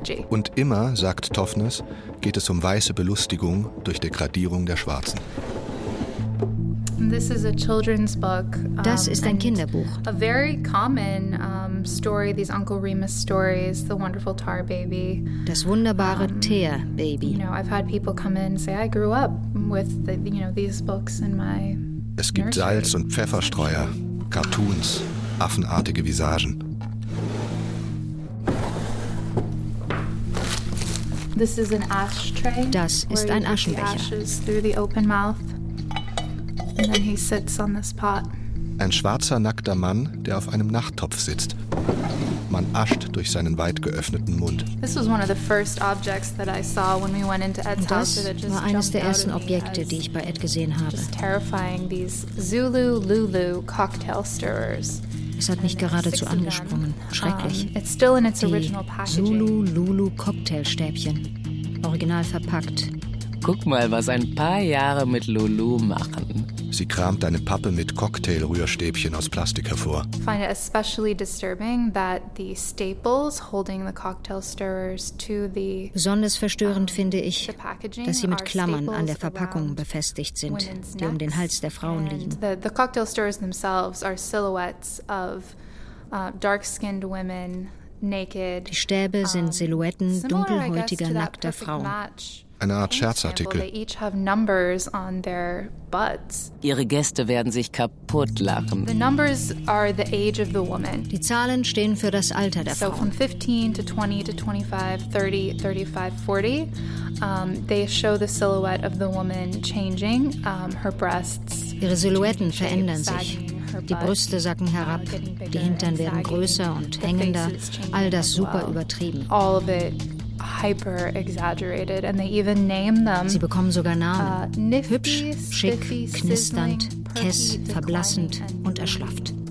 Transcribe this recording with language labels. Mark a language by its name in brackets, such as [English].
[German] Und immer, sagt Toffness, geht es um weiße Belustigung durch Degradierung der Schwarzen. [English] This is a children's book. [German] Das ist ein Kinderbuch. [English] A very common story, these Uncle Remus stories, the wonderful tar baby. [German] Das wunderbare Teer Baby. [English] You know, I've had people come in and say I grew up with these books in my nursery. [German] Es gibt Salz und Pfefferstreuer, Cartoons, affenartige Visagen. [English] This is an ashtray. [German] Das ist ein Aschenbecher. [English] Ashes through the open mouth. And then he sits on this pot. [German] Ein schwarzer, nackter Mann, der auf einem Nachttopf sitzt. Man ascht durch seinen weit geöffneten Mund. [English] This was one of the first objects that I saw when we went into Ed's house. [German] Das war eines der ersten Objekte, die ich bei Ed gesehen habe. [English] Just terrifying, these Zulu Lulu cocktail stirrers. [German] Es hat mich geradezu angesprungen. Schrecklich. [English] It's still in its original packaging. [German] Zulu Lulu Cocktailstäbchen. Original verpackt. Guck mal, was ein paar Jahre mit Lulu machen. Sie kramt eine Pappe mit Cocktail-Rührstäbchen aus Plastik hervor. [English] I find it especially disturbing that the staples holding the cocktail stirrers to the [German] besonders verstörend finde ich, dass sie mit Klammern an der Verpackung befestigt sind, die um den Hals der Frauen liegen. [English] The cocktail stirrers themselves are silhouettes of dark-skinned women naked. [German] Die Stäbe sind Silhouetten dunkelhäutiger, nackter Frauen. Eine Art Scherzartikel. Ihre Gäste werden sich kaputt lachen. [English] The numbers are the age of the woman. [German] Die Zahlen stehen für das Alter der Frau. [English] So from 15 to 20 to 25, 30, 35, 40, they show the silhouette of the woman changing her breasts. [German] Ihre Silhouetten verändern sich. Die Brüste sacken herab, die Hintern werden größer und hängender. All das super übertrieben. [English] All of it. Hyper exaggerated, and they even name them. [German] Sie bekommen sogar Namen. [English] Nifty, [German] hübsch, schick, [English] spiffy, [German] knisternd, [English] perky, [German] kess, verblassend und erschlafft.